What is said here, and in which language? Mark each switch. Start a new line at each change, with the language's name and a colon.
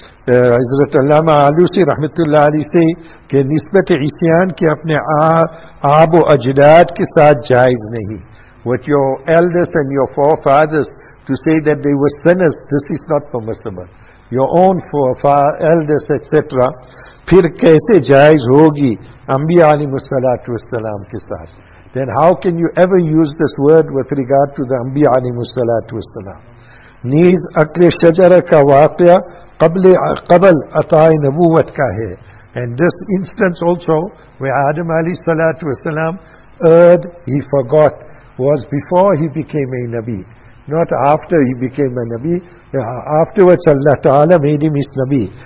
Urdu: حضرت علامہ علوسی رحمۃ اللہ علیہ سے کہ نسبت عیسیان کے اپنے آب و اجداد کے ساتھ جائز نہیں.
English: What your elders and your forefathers to say that they were sinners, this is not permissible. Your own elders, etc.
Urdu: پھر کیسے جائز ہوگی انبیاء علیہ الصلوۃ والسلام کے ساتھ؟
English: Then how can you ever use this word with regard to the
Urdu: انبیاء علیہ الصلوۃ والسلام؟ نیز عقل شجرہ کا واقعہ قبل عطا نبوت کا ہے.
English: And this instance also where Adam علیہ الصلوۃ والسلام erred, he forgot, was before he became a Nabi, not after he became a Nabi. Afterwards Allah Ta'ala made him his Nabi.